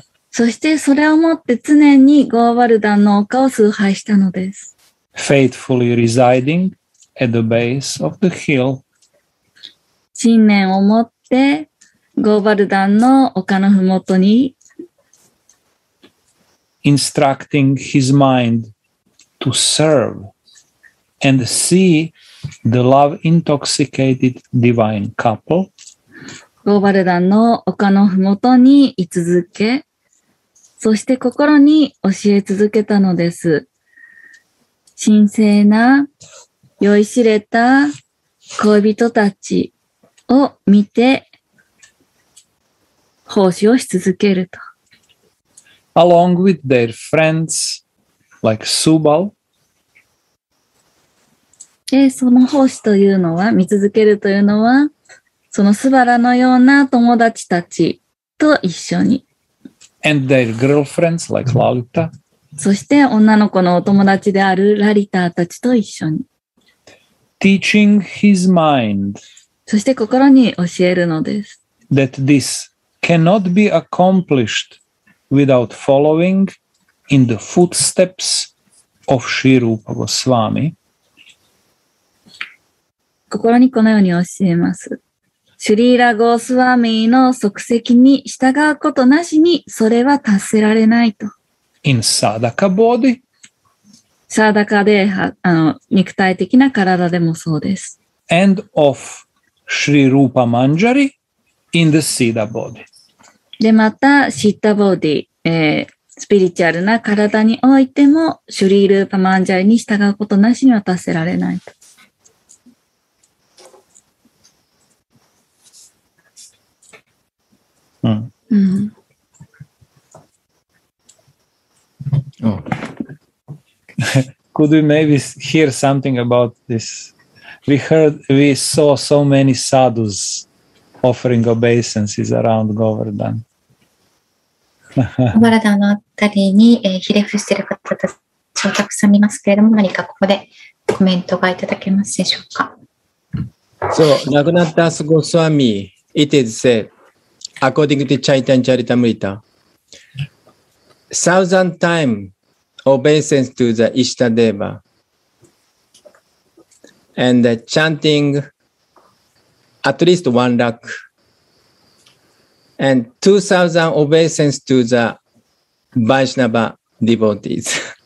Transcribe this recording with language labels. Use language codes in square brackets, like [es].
[ja] そしてそれをもって常にゴーバルダンの丘を崇拝したのです。 [en] Faithfully residing at the base of the hill。 [ja] 信念を持ってゴーバルダンの丘のふもとに、 [en] instructing his mind to serve and see the love intoxicated divine couple。 [ja] ゴーバルダンの丘のふもとに居続け、そして心に教え続けたのです。神聖な酔いしれた恋人たちを見て奉仕をし続けると、 [en] along with their friends like Subal。 [ja] でその奉仕というのは、見続けるというのは、そのスバラのような友達たちと一緒に、 [en] and their girlfriends like Lalita。 [ja] そして女の子のお友達であるラリタたちと一緒に、 [en] teaching his mind。 [ja] そして心に教えるのです。 [en] that this cannot be accomplishedwithout following in the footsteps of Shri Rupa Goswami。 [ja] 心にこのように教えます。シュリーラ・ゴースワミの足跡に従うことなしにそれは達せられないと。 [en] In sadaka body? [ja] Sadaka で、肉体的な体でもそうです。 [en] And of Shri Rupa Manjari in the Siddha body. [ja] で、また、シッタボディ、スピリチュアルな体においても、シュリー・ルーパ・マンジャリに従うことなしには達せられないと。 [en] Oh. Could we maybe hear something about this? We saw so many sadhus offering obeisances around Govardhan. [ja] Govardhan のあたりに、ひれ伏している方たちをたくさん見ますけれども、何かここでコメントがいただけますでしょうか。 [en] So, Raghunathdas Goswami, it is said. According to Chaitanya Charitamrita, thousand times obeisance to the Ishtadeva and chanting at least 1 lakh and 2,000 obeisance to the Vaishnava devotees.